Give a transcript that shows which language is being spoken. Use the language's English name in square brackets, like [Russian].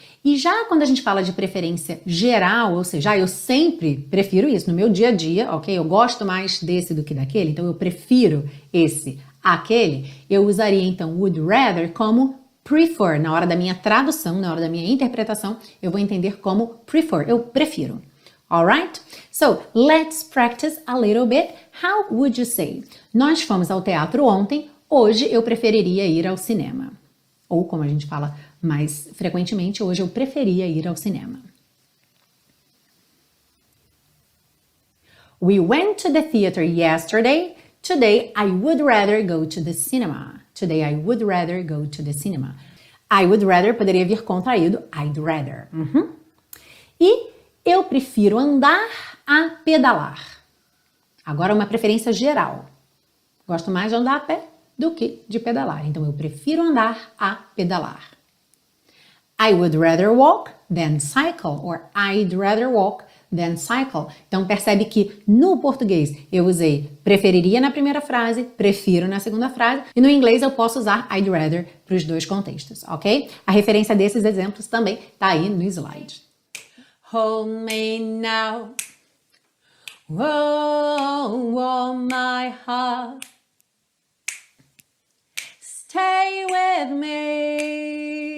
[Portuguese] E já quando a gente fala de preferência geral, ou seja, eu sempre prefiro isso no meu dia a dia, ok? Eu gosto mais desse do que daquele, então eu prefiro esse àquele, eu usaria então would rather como prefer. Na hora da minha tradução, na hora da minha interpretação, eu vou entender como prefer, eu prefiro. [English] Alright? So, let's practice a little bit. How would you say? [Portuguese] Nós fomos ao teatro ontem, hoje eu preferiria ir ao cinema. Ou como a gente fala mais frequentemente, hoje eu preferia ir ao cinema. [English] We went to the theater yesterday. Today I would rather go to the cinema. Today I would rather go to the cinema. I would rather [Portuguese] poderia vir contraído [English] I'd rather. [Portuguese] Uhum. E eu prefiro andar a pedalar. Agora uma preferência geral. Gosto mais de andar a pé do que de pedalar. Então eu prefiro andar a pedalar. [English] I would rather walk than cycle, or I'd rather walk than cycle. [Portuguese] Então percebe que no português eu usei preferiria na primeira frase, prefiro na segunda frase, e no inglês eu posso usar I'd rather para os dois contextos, ok? A referência desses exemplos também está aí no slide. [English] Hold me now, oh, oh my heart, stay with me.